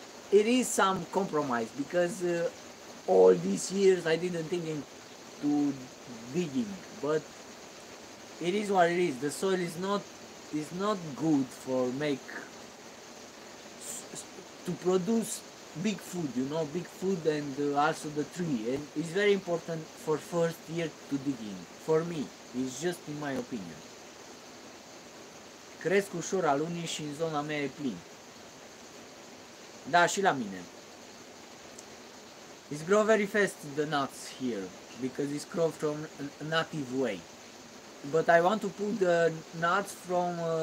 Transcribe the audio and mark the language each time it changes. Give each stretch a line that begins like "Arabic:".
English: It is some compromise, because all these years I didn't think into digging, but it is what it is. The soil is not good for make to produce big food, you know, big food, and also the tree. And it's very important for first year to dig in. For me, it's just in my opinion.
Romanian: Cresc ușor alunii și în zona mea e plin. Da, și la mine.
English: It's grow very fast, the nuts here, because it's grow from a native way. But I want to put the nuts from...